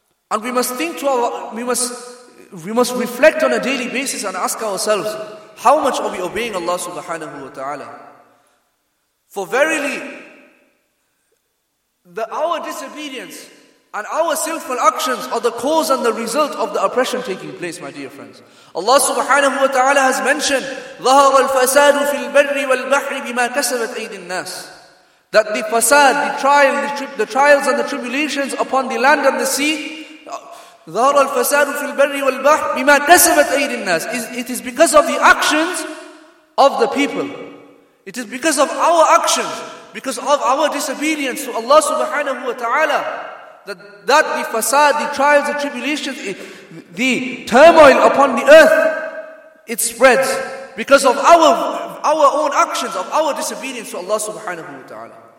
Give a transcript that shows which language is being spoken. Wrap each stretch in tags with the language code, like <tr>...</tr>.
<en>And we must think to our... We must reflect on a daily basis and ask ourselves, how much are we obeying Allah subhanahu wa ta'ala? For verily, our disobedience and our sinful actions are the cause and the result of the oppression taking place, my dear friends. Allah subhanahu wa ta'ala has mentioned,</en> <ar>ظَهَرَ الْفَسَادُ فِي الْبَرِّ وَالْبَحْرِ بِمَا كَسَبَتْ أَيْدِ النَّاسِ.</ar> <en>That the fasad, the trial, the trials and the tribulations upon the land and the sea,</en> <ar>ظَهَرَ الْفَسَادُ فِي الْبَرِّ وَالْبَحْرِ بِمَا كَسَبَتْ أَيْدِ النَّاسِ.</ar> <en>It is because of the actions of the people. It is because of our actions, because of our disobedience to Allah subhanahu wa ta'ala, that the fasad, the trials, the tribulations, the turmoil upon the earth, it spreads because of our own actions, of our disobedience to Allah subhanahu wa ta'ala.</en>